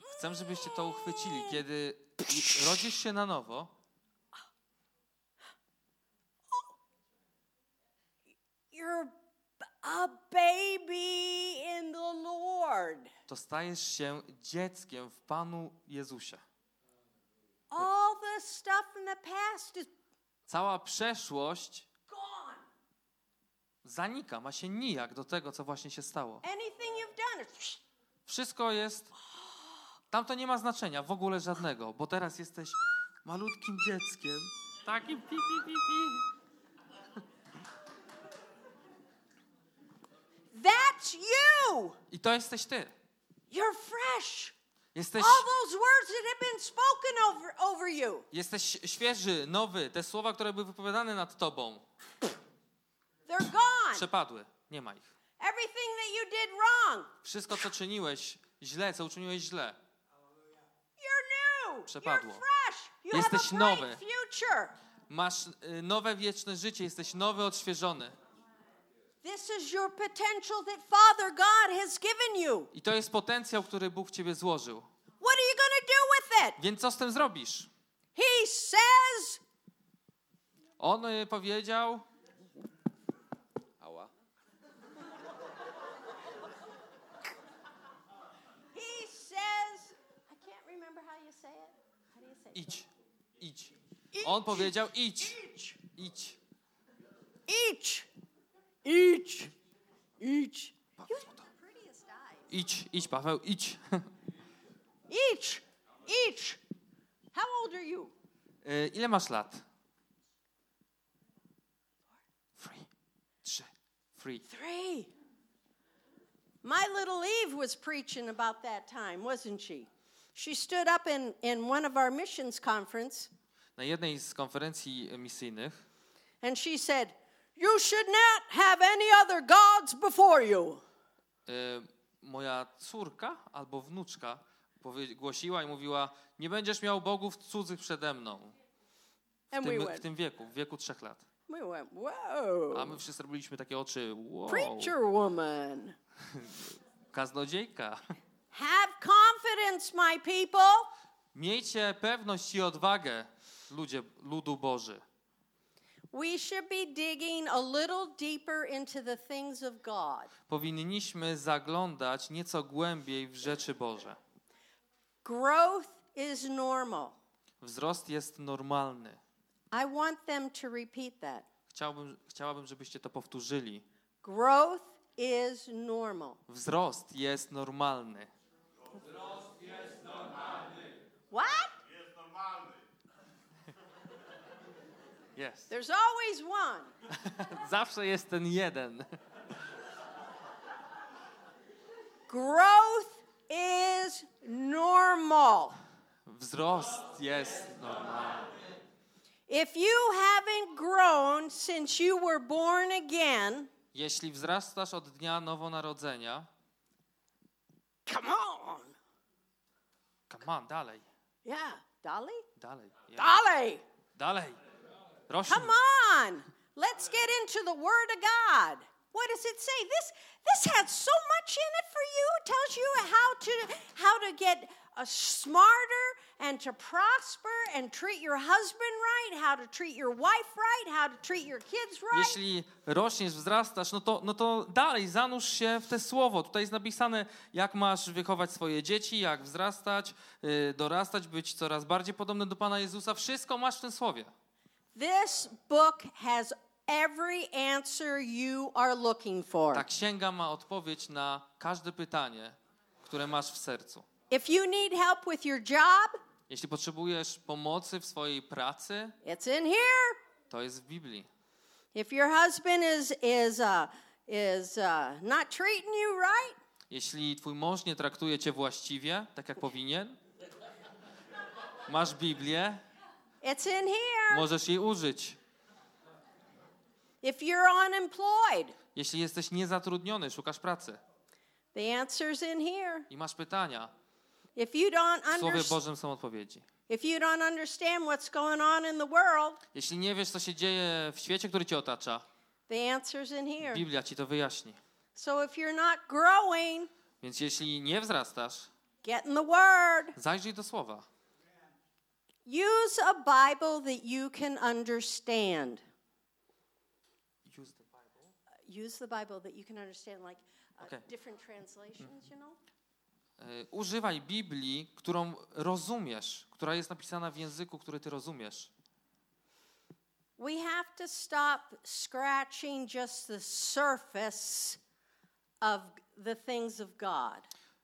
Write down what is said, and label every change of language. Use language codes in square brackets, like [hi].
[pl] Chcę, żebyście to uchwycili, kiedy rodzisz się na nowo. [en] You're a baby in the Lord. [pl] To stajesz się dzieckiem w Panu Jezusie. [en] All the stuff in the past is. [pl] Cała przeszłość. [en] Gone. [pl] Zanika, ma się nijak do tego, co właśnie się stało. [en] Anything you've done. [pl] Wszystko jest, tamto nie ma znaczenia, w ogóle żadnego, bo teraz jesteś malutkim dzieckiem. Takim pi, pi, pi, pi. [en] That's you. [pl] I to jesteś ty. [en] You're fresh. [pl] Jesteś, [en] all those words that have been spoken over you. [pl] Jesteś świeży, nowy, te słowa, które były wypowiadane nad tobą. [en] They're gone. [pl] Przepadły, nie ma ich. [en] Everything that you did wrong. [pl] Wszystko, co czyniłeś źle, co uczyniłeś źle. [en] You're new. [pl] Przepadło. [en] You're fresh. You [pl] jesteś [en] have a [pl] nowy. [en] Future. [pl] Masz nowe wieczne życie, jesteś nowy, odświeżony. [en] This is your potential that Father God has given you. [pl] I to jest potencjał, który Bóg w ciebie złożył. [en] What are you gonna do with it? [pl] Więc co z tym zrobisz? [en] He says. [pl] On powiedział. Ała. [en] He says. I can't remember how you say it. How do you say it? [pl] Idź. Idź. On powiedział idź. Idź. Idź. Idź. Idź. Idź. Idź, idź, Paweł, idź. Idź, idź. [en] How old are you? [pl] Ile masz lat? [en] Three. My little Eve was preaching about that time, wasn't she? She stood up in one of our missions conference. [pl] Na jednej z konferencji misyjnych. [en] And she said, "You should not have any other gods before you." [pl] Moja córka albo wnuczka głosiła i mówiła, nie będziesz miał bogów cudzych przede mną. W tym wieku trzech lat. [en] We went, whoa. [pl] A my wszyscy robiliśmy takie oczy, wow. [en] Preacher woman. [pl] Kaznodziejka. [en] Have confidence, my people. [pl] Miejcie pewność i odwagę, ludzie, ludu Boży. [en] We should be digging a little deeper into the things of God. [pl] Powinniśmy zaglądać nieco głębiej w rzeczy Boże. [en] Growth is normal. [pl] Wzrost jest normalny. [en] I want them to repeat that. [pl] Chciałabym, żebyście to powtórzyli. [en] Growth is normal. [pl] Wzrost jest normalny. Wzrost jest normalny. [en] What? Yes. There's always one. [pl] Zawsze jest ten jeden. [en] Growth is normal. [pl] Wzrost jest normalny. [en] If you haven't grown since you were born again, [pl] jeśli wzrastasz od dnia nowonarodzenia, [en] come on. Come on, [pl] dalej. Yeah, dalej? Dalej. Yeah. Dalej. Dalej. [en] Come on, let's get into the Word of God. What does it say? This has so much in it for you. It tells you how to get a smarter and to prosper and treat your husband right, how to treat your wife right, how to treat your kids right. [pl] Jeśli rośniesz, wzrastasz, no to dalej, zanurz się w te słowo. Tutaj jest napisane, jak masz wychować swoje dzieci, jak wzrastać, dorastać, być coraz bardziej podobny do Pana Jezusa. Wszystko masz w tym słowie. [en] This book has every answer you are looking for. [pl] Ta księga ma odpowiedź na każde pytanie, które masz w sercu. [en] If you need help with your job, [pl] jeśli potrzebujesz pomocy w swojej pracy, [en] it's in here. [pl] To jest w Biblii. [en] If your husband is not treating you right, [pl] jeśli twój mąż nie traktuje cię właściwie, tak jak powinien, masz Biblię. [en] It's in here. [pl] Możesz jej użyć. [en] If you're unemployed. [pl] Jeśli jesteś niezatrudniony, szukasz pracy. [en] The answer's in here. [pl] I masz pytania. [en] If you don't [pl] w Słowie Bożym są odpowiedzi. [en] If you don't understand what's going on in the world. [pl] Jeśli nie wiesz, co się dzieje w świecie, który cię otacza. [en] The answer's in here. [pl] Biblia ci to wyjaśni. [en] So if you're not growing. [pl] Więc jeśli nie wzrastasz. [en] Get in the word. [pl] Zajrzyj do Słowa. [en] Use a Bible that you can understand. Use the Bible? Use the Bible that you can understand, like different translations, you know? [pl] Używaj Biblii, którą rozumiesz, która jest napisana w języku, który ty rozumiesz. [en] We have to stop scratching just the surface of the things of God.